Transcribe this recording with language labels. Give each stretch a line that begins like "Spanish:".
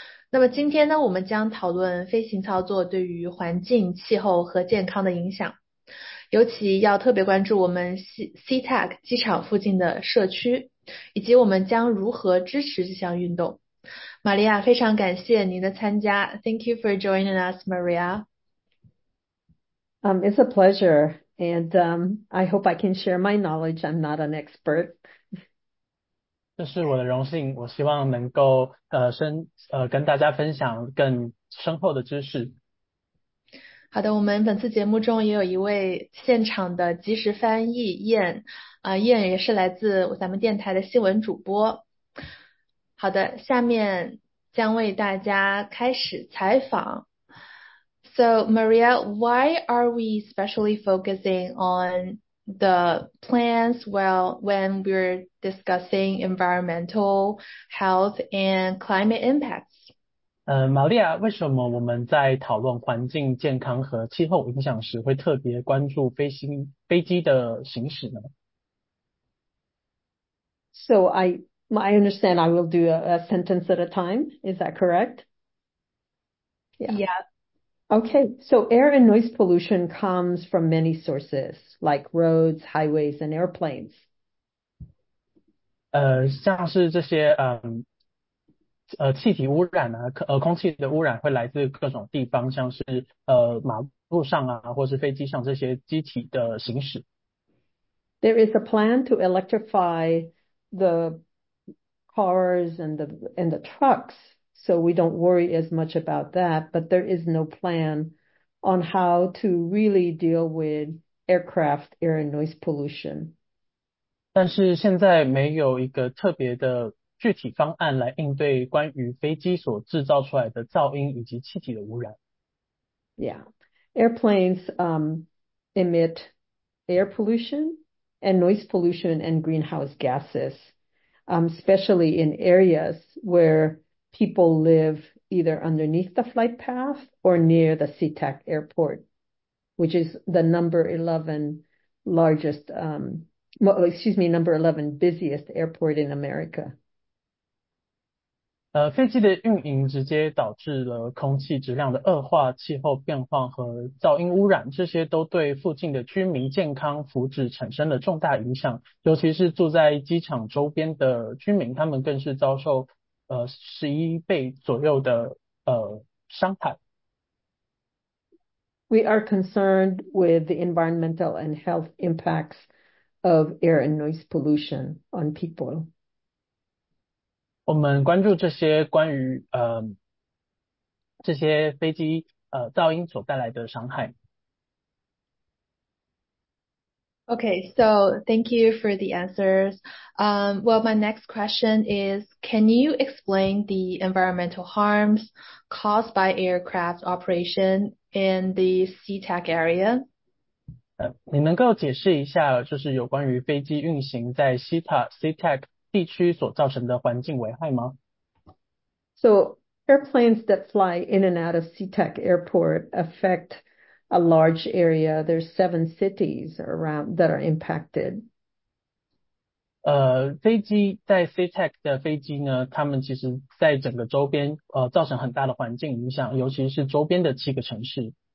Chinese: 那么今天呢，我们将讨论飞行操作对于环境、气候和健康的影响，尤其要特别关注我们 SeaTac 机场附近的社区，以及我们将如何支持这项运动。玛利亚，非常感谢您的参加。
English: Thank you for joining us, Maria. It's a pleasure, and I hope I can share my knowledge. I'm not an expert.
Chinese: 这是我的荣幸，我希望能够跟大家分享更深厚的知识。好的，我们本次节目中也有一位现场的即时翻译燕，燕也是来自咱们电台的新闻主播。好的，下面将为大家开始采访。
English: So Maria, why are we especially focusing on the plants when we're discussing environmental, health, and climate impacts?
Chinese: 玛利亚，为什么我们在讨论环境健康和气候影响时会特别关注飞机的行驶呢？
English: So I understand I will do a sentence at a time. Is that correct? Yeah. Okay. So air and noise pollution comes from many sources, like roads, highways, and airplanes.
Chinese: 像是这些气体污染啊，空气的污染会来自各种地方，像是马路上啊，或是飞机上这些机体的行驶。
English: There is a plan to electrify the cars and the trucks, so we don't worry as much about that, but there is no plan on how to really deal with aircraft air and noise pollution.
Chinese: 但是现在没有一个特别的具体方案来应对关于飞机所制造出来的噪音以及气体的污染。
English: Yeah, airplanes emit air pollution and noise pollution and greenhouse gases. Especially in areas where people live either underneath the flight path or near the SeaTac airport, which is the number 11 largest, excuse me, number 11 busiest airport in America.
Chinese: 飞机的运营直接导致了空气质量的恶化、气候变化和噪音污染，这些都对附近的居民健康福祉产生了重大影响。尤其是住在机场周边的居民，他们更是遭受11倍左右的伤害。
English: We are concerned with the environmental and health impacts of air and noise pollution on people.
Chinese: 我们关注这些关于这些飞机噪音所带来的伤害。
English: Okay, so thank you for the answers. Well, my next question is, can you explain the environmental harms caused by aircraft operation in the SeaTac area?
Chinese: 你能够解释一下，就是有关于飞机运行在 SeaTac地区所造成的环境危害吗？
English: So airplanes that fly in and out of SeaTac Airport affect a large area. There's 7 cities around that are impacted.
Chinese: 飞机在 SeaTac 的飞机呢，他们其实在整个周边造成很大的环境影响，尤其是周边的7个城市。